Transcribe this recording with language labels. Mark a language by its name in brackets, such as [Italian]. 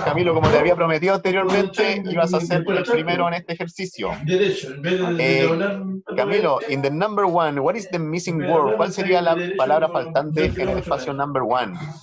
[Spanish] Camilo, como te había prometido anteriormente, ibas a ser el primero en este ejercicio. [English] Camilo, in the number one, what is the missing word? [Spanish] ¿Cuál sería la palabra faltante en el espacio number one?